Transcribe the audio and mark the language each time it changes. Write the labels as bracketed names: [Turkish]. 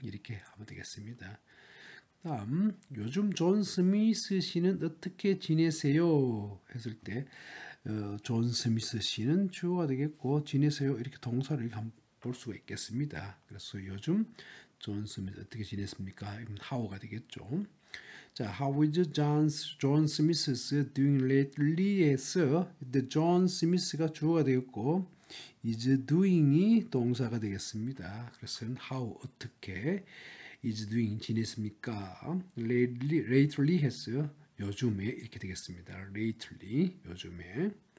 [Korean] 이렇게 하면 되겠습니다. 다음 요즘 존 스미스 씨는 어떻게 지내세요? 했을 때 존 스미스 씨는 주어가 되겠고 지내세요 이렇게 동사로 이렇게 한번 볼 수가 있겠습니다. 그래서 요즘 존 스미스 어떻게 지냈습니까? 이건 how가 되겠죠. [English] 자, how is John Smith doing lately? [Korean] 에서 the John Smith가 주어가 되겠고 is doing이 동사가 되겠습니다. 그래서 how 어떻게 is doing 지냈습니까? lately 했어요. 요즘에 이렇게 되겠습니다. lately 요즘에.